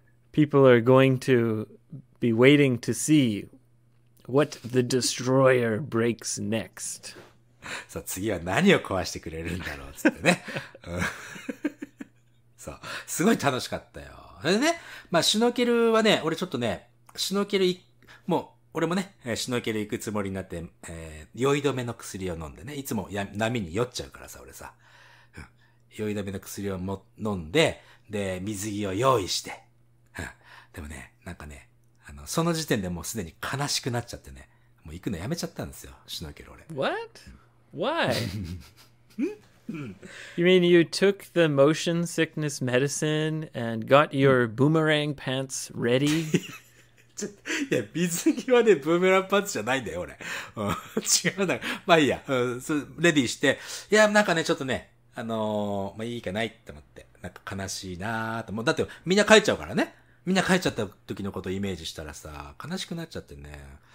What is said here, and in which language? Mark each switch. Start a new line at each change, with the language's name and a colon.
English: people are going to be waiting to see what the destroyer breaks next。
Japanese: そう、次は何を壊してくれるんだろうつってね。そう、すごい楽しかったよ。でね、まあ、シュノーケルはね、俺ちょっとね、シュノーケル、もう、俺もね、シュノーケル行くつもりになって、酔い止めの薬を飲んでね、いつも波に酔っちゃうからさ、俺さ。酔い止めの薬を飲んで、で、水着を用意して。でもね、なんかね、その時点でもうすでに悲しくなっちゃってね、もう行くのやめちゃったんですよ、シュノーケル俺。
English: What? Why? You mean you took the motion sickness medicine and got your boomerang pants ready?
Japanese: いや、水着はね、ブーメランパンツじゃないんだよ、俺。違うな。まあいいや、レディーして。いや、なんかね、ちょっとね、まあいいかないって思って。なんか悲しいなーと思う。だって、みんな帰っちゃうからね。みんな帰っちゃった時のことをイメージしたらさ、悲しくなっちゃってね。